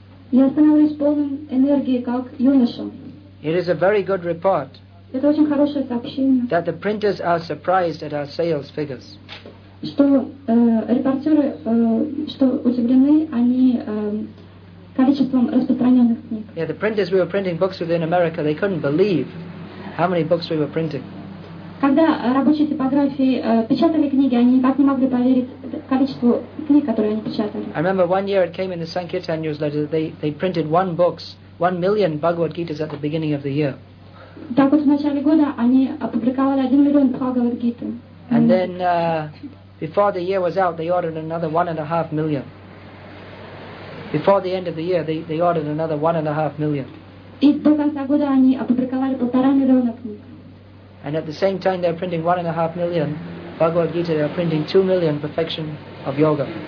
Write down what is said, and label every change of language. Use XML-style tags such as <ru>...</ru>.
<en>It is a very good report that the printers are surprised at our sales figures. Yeah, the printers we were printing books with in America, they couldn't believe how many books we were printing.</en> <ru>Когда рабочие типографии печатали книги, они никак не могли поверить количеству книг, которые они печатали.</ru> <en>I remember one year it came in the Sankirtan newsletter that they printed one book, 1 million Bhagavad Gitas at the beginning of the year.</en> <ru>Так вот в начале года они опубликовали 1 миллион Бхагавад Гиты.</ru> <en>And then before the year was out, they ordered another 1.5 million. Before the end of the year, they ordered another 1.5 million.</en> <ru>И до конца года они опубликовали 1.5 миллиона книг.</ru> <en>And at the same time they're printing 1.5 million Bhagavad Gita, they're printing 2 million perfection of yoga.</en>